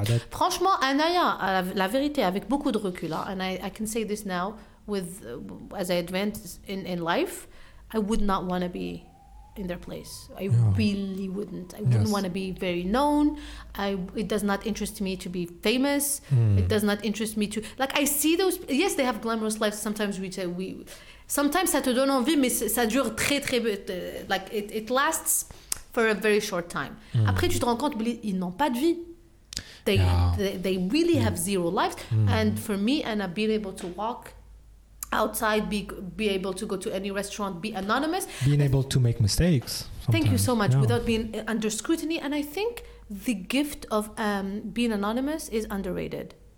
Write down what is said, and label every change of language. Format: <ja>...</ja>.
<fr>Franchement, Anaya, la vérité, avec beaucoup de recul,</fr> <en>and I can say this now, with as I advance in life, I would not want to be in their place. I really wouldn't. I wouldn't want to be very known. It does not interest me to be famous. Mm. It does not interest me to... Like, I see those... Yes, they have glamorous lives. Sometimes we say we... Sometimes</en> <fr>ça te donne envie, mais ça dure très, très...</fr> <en>Like, it lasts for a very short time. Mm.</en> <fr>Après, tu te rends compte, mais ils n'ont pas de vie.</fr> <en>They really have zero lives. Mm. And for me, and I've been able to walk... outside, be able to go to any restaurant, be anonymous. Being able to make mistakes. Sometimes. Thank you so much. Yeah. Without being under scrutiny. And I think the gift of being anonymous is underrated.</en>